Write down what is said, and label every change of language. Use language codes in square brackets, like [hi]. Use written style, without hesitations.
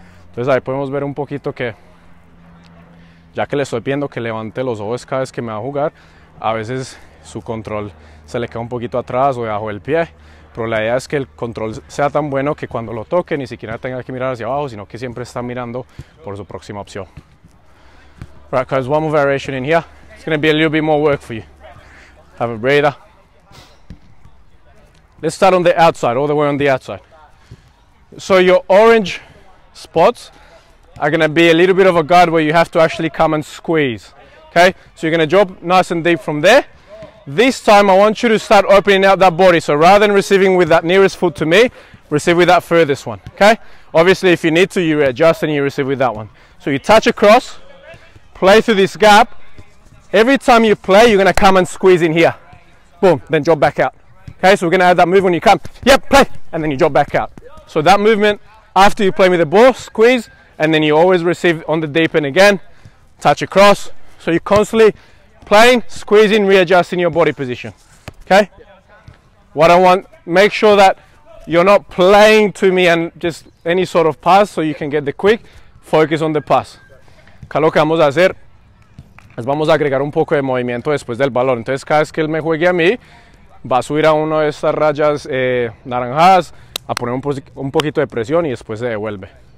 [es] Entonces ahí podemos ver un poquito que, ya que le estoy pidiendo que levante los ojos cada vez que me va a jugar, a veces su control se le queda un poquito atrás o debajo del pie, pero la idea es que el control sea tan bueno que cuando lo toque ni siquiera tenga que mirar hacia abajo, sino que siempre está mirando por su próxima opción. [en] Right, guys, one more variation in here. It's going to be a little bit more work for you. Have a breather. Let's start on the outside, all the way on the outside. So your orange spots are going to be a little bit of a guard where you have to actually come and squeeze. Okay, so you're going to drop nice and deep from there. This time I want you to start opening out that body. So rather than receiving with that nearest foot to me, receive with that furthest one. Okay, obviously if you need to, you adjust and you receive with that one. So you touch across, play through this gap. Every time you play, you're going to come and squeeze in here. Boom, then drop back out. Okay, so we're going to have that move when you come. Yep, play, and then you drop back out. So that movement, after you play with the ball, squeeze, and then you always receive on the deep end again, touch across. So you're constantly playing, squeezing, readjusting your body position. Okay? What I want, make sure that you're not playing to me and just any sort of pass so you can get the quick, focus on the pass. [es] Okay, lo que vamos a hacer es vamos a agregar un poco de movimiento después del balón. Entonces, cada vez que él me juegue a mí, va a subir a una de estas rayas naranjadas, a poner un poquito de presión y después se devuelve.